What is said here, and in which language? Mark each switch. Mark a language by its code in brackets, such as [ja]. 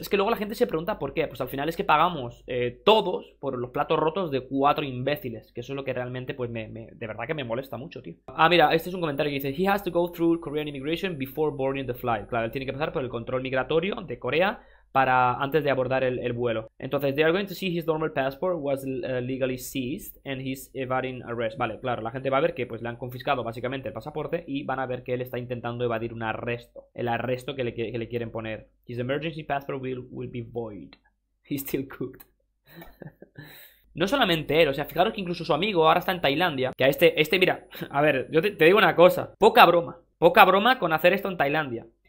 [es] Es que luego la gente se pregunta por qué. Pues al final es que pagamos todos por los platos rotos de cuatro imbéciles. Que eso es lo que realmente, pues, de verdad que me molesta mucho, tío. Ah, mira, este es un comentario que dice: [en] He has to go through Korean immigration before boarding the flight. [es] Claro, él tiene que pasar por el control migratorio de Corea para antes de abordar el vuelo. Entonces, [en] they are going to see his normal passport was legally seized and he's evading arrest. [es] Vale, claro, la gente va a ver que pues le han confiscado básicamente el pasaporte y van a ver que él está intentando evadir un arresto, el arresto que le quieren poner. [en] His emergency passport will be void. He's still cooked. [es] No solamente él, o sea, fijaros que incluso su amigo ahora está en Tailandia, que a este mira, a ver, yo te digo una cosa, poca broma con hacer esto en Tailandia.